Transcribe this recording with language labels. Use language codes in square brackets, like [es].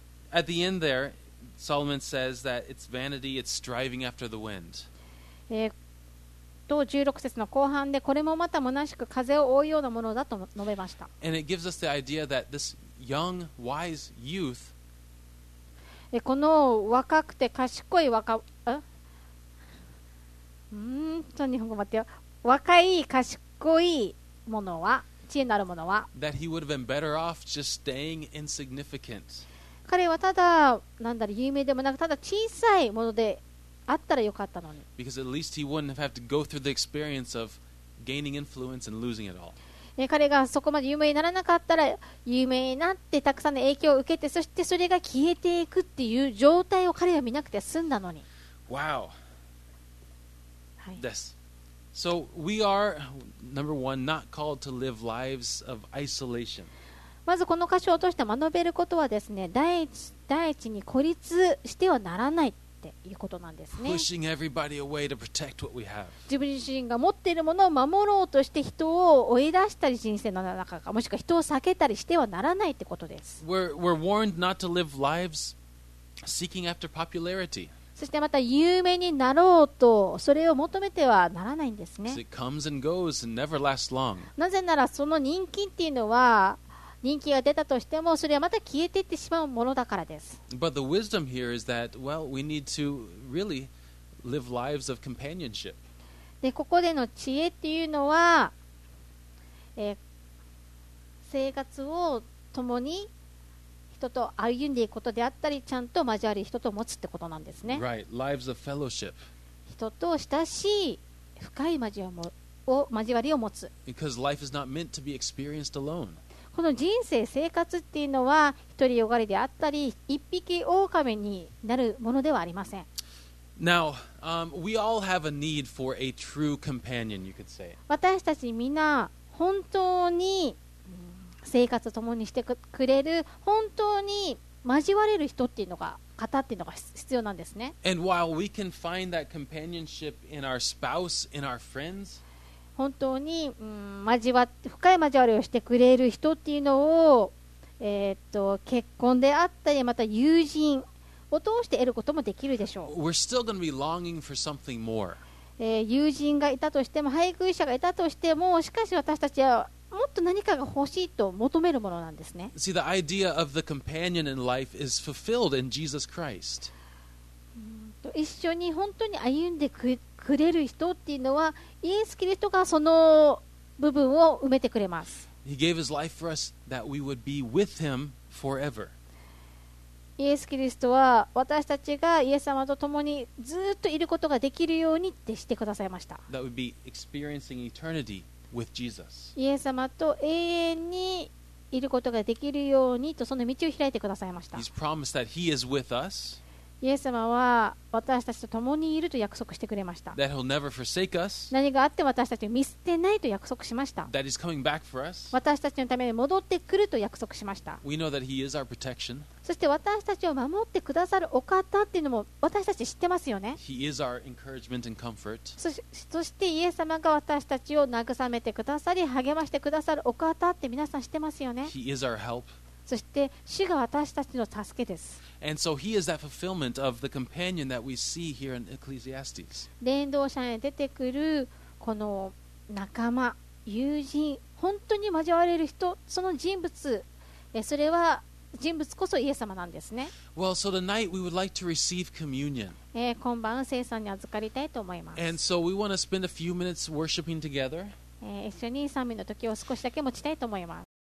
[en] At the end there, Solomon says that it's vanity, it's striving after the wind. [ja] 16節の後半でこれもまた虚しく風を追うようなものだと述べました。 [en] And it gives us the idea that this young, wise youth. [ja] この若くて賢い若、とにかく待ってよ。若い賢いものは、知恵のあるものは、 [en] That he would have been better off just staying insignificant. [ja] 彼はただ、なんだろう、有名でもなく、ただ小さいものであったらよかったのに。 [en] Because at least he wouldn't have to go through the experience of gaining influence and losing it all. [ja] 彼がそこまで有名にならなかったら、有名になってたくさんの影響を受けて、そしてそれが消えていくっていう状態を彼は見なくて済んだのに。 [en] Wow.、 [ja] はい、 [en] This. So we are, number one, not called to live lives of isolation. [ja] まずこの箇所を通して学べることはですね、第一に孤立してはならないっていうことなんですね。 [en] Pushing everybody away to protect what we have. [ja] 自分自身が持っているものを守ろうとして人を追い出したり、人生の中か、もしくは人を避けたりしてはならないってことです。 [en] We're warned not to live lives seeking after popularity. [ja] そしてまた有名になろうとそれを求めてはならないんですね。 [en] It comes and goes and never lasts long. [ja] なぜならその人気っていうのは人気が出たとしてもそれはまた消えていってしまうものだからです。 [en] But the wisdom here is that, well, we need to really live lives of companionship. [ja] でここでの知恵っていうのは、生活を共に人と歩んでいくことであったりちゃんと交わり人と持つってことなんですね。 [en] Right. Lives of fellowship. [ja] 人と親しい深い交わりを持つ。 [en] Because life is not meant to be experienced alone. [ja] この人生生活っていうのは一人よがりであったり一匹狼になるものではありません。 [en] Now, we all have a need for a true companion, you could say. [ja] 私たちみんな本当に生活を共にしてくれる本当に交われる人っていうのが方っていうのが必要なんですね。 [en] And while we can find that companionship in our spouse, in our friends, [ja] 本当に深い交わりをしてくれる人っていうのを、結婚であったりまた友人を通して得ることもできるでしょう。 [en] We're still going to be longing for something more. [ja] 友人がいたとしても配偶者がいたとしてもしかし私たちはもっと何かが欲しいと求めるものなんですね。 [en] See, the idea of the companion in life is fulfilled in Jesus Christ. [ja] 一緒に本当に歩んでくれる人っていうのはイエス・キリストがその部分を埋めてくれます。 [en] He gave his life for us that we would be with him forever. [ja] イエス・キリストは私たちがイエス様と共にずっといることができるようにってしてくださいました。 [en] That would be experiencing eternity. With Jesus. [ja] イエス様と永遠にいることができるようにとその道を開いてくださいました。 [en] He's promised that he is with us. [ja] イエス様は私たちと共にいると約束してくれました。 [en] That he'll never forsake us. [ja] 何があっても私たちを見捨てないと約束しました。 [en] That he's coming back for us. [ja] 私たちのために戻ってくると約束しました。 [en] We know that he is our protection. [ja] そして私たちを守ってくださるお方っていうのも私たち知ってますよね。 [en] He is our encouragement and comfort. [ja] そしてイエス様が私たちを慰めてくださり励ましてくださるお方って皆さん知ってますよね。 [en] He is our help. [ja] そして主が私たちの助けです。 [en] And so he is that fulfillment of the companion that we see here in Ecclesiastes. [ja] 伝道者に出てくるこの仲間、友人、本当に交われる人、その人物、それは人物こそイエス様なんですね。 [en] Well, so tonight we would like to receive communion. [ja] 今晩聖餐に預かりたいと思います。 [en] And so we want to spend a few minutes worshiping together. [ja] 一緒に賛美の時を少しだけ持ちたいと思います。